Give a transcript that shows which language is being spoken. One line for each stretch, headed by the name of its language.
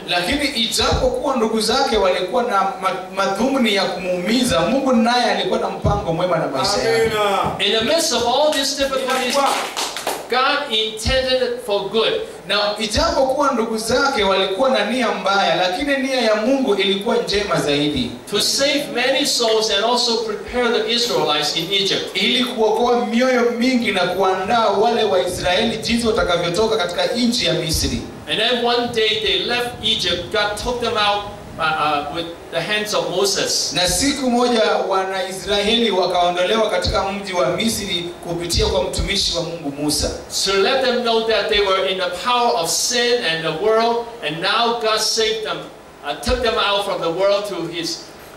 Swahili: Lakini ijapokuwa ndugu zake walikuwa na madhumuni ya kumuumiza, Mungu naye alikuwa na mpango mwema na maisha yake.
English: In the midst of all these difficulties, God intended it for good.
Swahili: Now, ijapokuwa ndugu zake walikuwa na nia mbaya, lakini nia ya Mungu ilikuwa njema zaidi.
English: To save many souls and also prepare the Israelites in Egypt.
Swahili: Ili kuokoa mioyo mingi na kuandaa wale wa Israeli jinsi watakavyotoka katika nchi ya Misri.
English: And then one day they left Egypt, God took them out with the hands of Moses.
Swahili: Na siku moja wana Israeli wakaondolewa katika mji wa Misri kupitia kwa mtumishi wa Mungu Musa.
English: So let them know that they were in the power of sin and the world, and now God saved them, took them out from the world to His